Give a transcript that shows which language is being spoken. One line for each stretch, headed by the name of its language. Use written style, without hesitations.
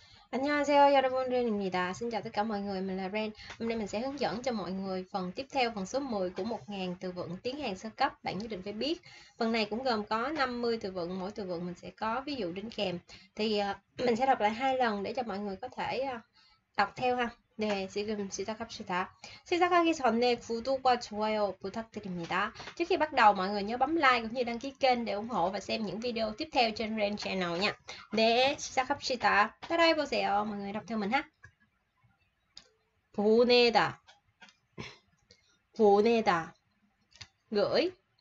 Vietnamese: Anh chào tất cả mọi người, mình là Ren. Hôm nay mình sẽ hướng dẫn cho mọi người phần tiếp theo, phần số 10 của 1.000 từ vựng tiếng Hàn sơ cấp bạn nhất định phải biết. Phần này cũng gồm có 50 từ vựng, mỗi từ vựng mình sẽ có ví dụ đính kèm. Thì mình sẽ đọc lại hai lần để cho mọi người có thể đọc theo ha.
Korean: 네, 지금 시작합시다. 시작하기 전에 구독과 좋아요 부탁드립니다.
Vietnamese: Trước khi bắt đầu, mọi người nhớ bấm like cũng như đăng ký kênh để ủng hộ và xem những video tiếp theo trên Ren Channel nha.
Korean: 네, 시작합시다. 따라해보세요.
Vietnamese: Mọi người đọc theo mình ha.
Korean: 보내다. 보내다. Gửi.